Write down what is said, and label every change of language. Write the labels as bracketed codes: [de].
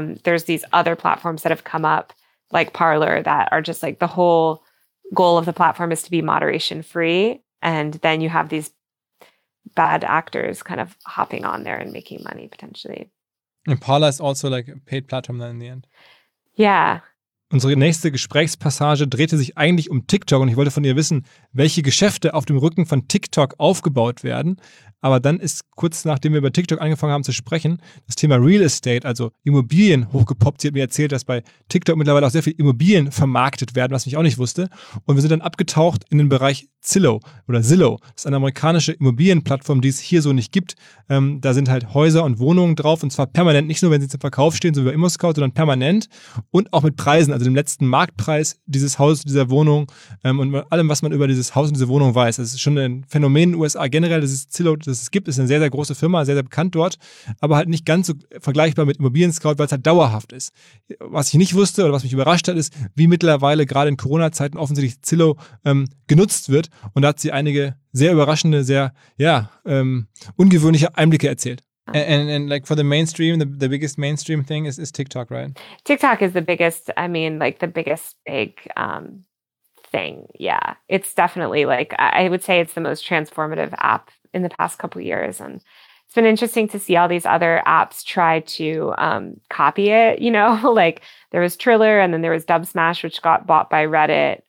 [en] There's these other platforms that have come up, like Parler, that are just like the whole goal of the platform is to be moderation free. And then you have these bad actors kind of hopping on there and making money potentially. And Parler is also like a paid platform then in the end. Yeah. [de] Unsere nächste Gesprächspassage drehte sich eigentlich um TikTok und ich wollte von ihr wissen, welche Geschäfte auf dem Rücken von TikTok aufgebaut werden. Aber dann ist kurz nachdem wir über TikTok angefangen haben zu sprechen, das Thema Real Estate, also Immobilien, hochgepoppt. Sie hat mir erzählt, dass bei TikTok mittlerweile auch sehr viel Immobilien vermarktet werden, was ich auch nicht wusste. Und wir sind dann abgetaucht in den Bereich Zillow. Das ist eine amerikanische Immobilienplattform, die es hier so nicht gibt. Da sind halt Häuser und Wohnungen drauf und zwar permanent. Nicht nur, wenn sie zum Verkauf stehen, so wie bei ImmoScout, sondern permanent und auch mit Preisen. Also dem letzten Marktpreis dieses Hauses, dieser Wohnung und allem, was man über dieses Haus und diese Wohnung weiß. Das ist schon ein Phänomen in den USA generell, das ist Zillow, das es gibt, ist eine sehr, sehr große Firma, sehr, sehr bekannt dort, aber halt nicht ganz so vergleichbar mit Immobilien-Scout, weil es halt dauerhaft ist. Was ich nicht wusste oder was mich überrascht hat, ist, wie mittlerweile gerade in Corona-Zeiten offensichtlich Zillow genutzt wird, und da hat sie einige sehr überraschende, sehr ungewöhnliche Einblicke erzählt. [en] And like for the mainstream, the biggest mainstream thing is TikTok, right? TikTok is the biggest, the biggest big thing. Yeah, it's definitely I would say it's the most transformative app in the past couple of years. And it's been interesting to see all these other apps try to copy it, you know, like there was Triller and then there was Dubsmash, which got bought by Reddit.